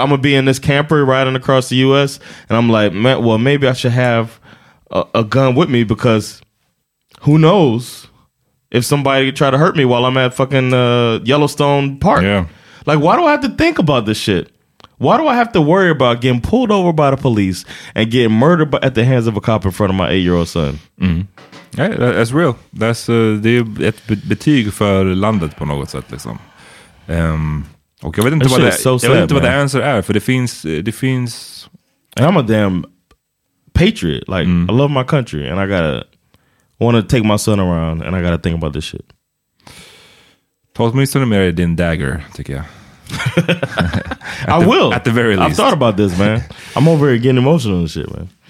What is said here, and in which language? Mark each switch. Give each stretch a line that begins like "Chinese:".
English: I'm going to be in this camper riding across the U.S. And I'm like, man, well, maybe I should have a gun with me because who knows if somebody try to hurt me while I'm at fucking Yellowstone Park. Yeah. Like, why do I have to think about this shit? Why do I have to worry about getting pulled over by the police and getting murdered at the hands of a cop in front of my 8-year-old son? Mm-hmm. Yeah, that's real. That's
Swedish: det är ett betyg för landet på något sätt liksom. Och jag vet inte vad det är. Jag vet inte vad the answer är, för det finns
English: and I'm a damn patriot. Like I love my country and I gotta wanna take my son around and I gotta think about this shit.
Swedish: Ta åtminstone med din dagger, tycker jag.
English: I will at the very least. I've thought about this, man. I'm over here getting emotional and shit, man.